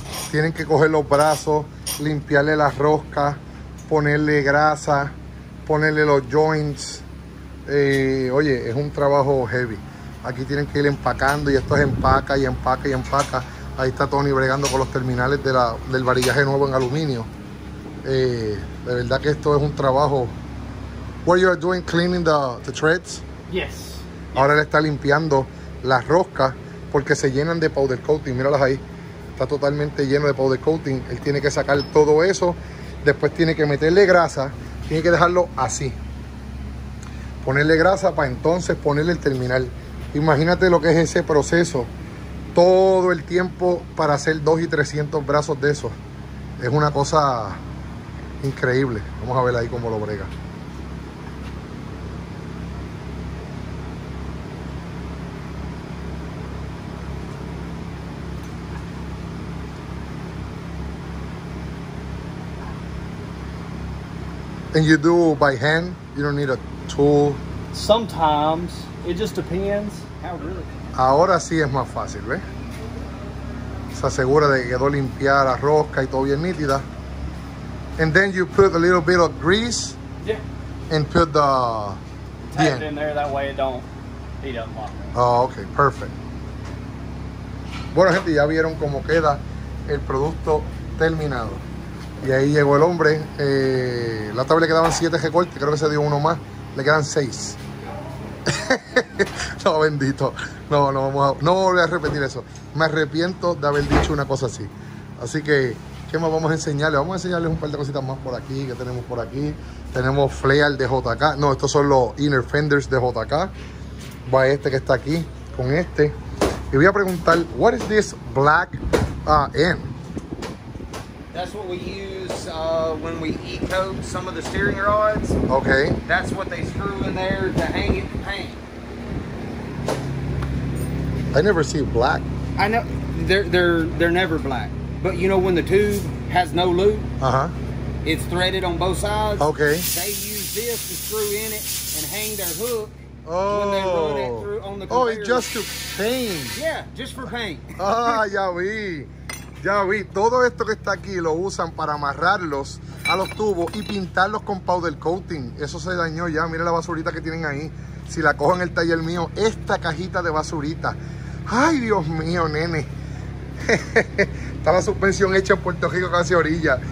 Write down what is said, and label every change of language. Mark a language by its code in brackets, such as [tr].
[es] Tienen que coger los brazos, limpiarle las roscas, ponerle grasa, ponerle los joints. Oye, es un trabajo heavy. Aquí tienen que ir empacando y esto es empaca y empaca y empaca. Ahí está Tony bregando con los terminales del varillaje nuevo en aluminio. De verdad que esto es un trabajo. [en] What you are doing, cleaning the treads? Yes. [es] Ahora le está limpiando las roscas porque se llenan de powder coating. Míralas ahí. Está totalmente lleno de powder coating. Él tiene que sacar todo eso. Después tiene que meterle grasa. Tiene que dejarlo así. Ponerle grasa para entonces ponerle el terminal. Imagínate lo que es ese proceso. Todo el tiempo para hacer 200 y 300 brazos de esos. Es una cosa increíble. Vamos a ver ahí cómo lo brega. [en] And you do by hand? You don't need a tool? Sometimes. It just depends. How really? [es] Ahora sí es más fácil, ¿ves? Se asegura de que quedó limpiada la rosca y todo bien nítida. [en] And then you put a little bit of grease. Yeah. And put the... Tap it in there, that way it don't heat up. Oh, okay. Perfect. [es] Bueno, gente, ya vieron cómo queda el producto terminado. Y ahí llegó el hombre. La otra vez le quedaban 7 recortes, creo que se dio uno más. Le quedan 6. No, bendito. No, no vamos a. No voy a repetir eso. Me arrepiento de haber dicho una cosa así. Así que, ¿qué más vamos a enseñarles? Vamos a enseñarles un par de cositas más por aquí. Que tenemos por aquí. Tenemos flare de JK. No, estos son los inner fenders de JK. Va este que está aquí con este. Y voy a preguntar, [en] what is this black end? That's what we use when we e-coat some of the steering rods. Okay. That's what they screw in there to hang it to paint. I never see black. I know they're never black. But you know when the tube has no loop? Uh-huh. It's threaded on both sides. Okay. They use this to screw in it and hang their hook. Oh. When they run it through on the conveyor. Oh, it's just to paint. Yeah, just for paint. [es] Ah, ya vi. Ya vi, todo esto que está aquí lo usan para amarrarlos a los tubos y pintarlos con powder coating. Eso se dañó ya, mire la basurita que tienen ahí. Si la cojo en el taller mío, esta cajita de basurita. Ay, Dios mío, nene. Está la suspensión hecha en Puerto Rico casi a orilla.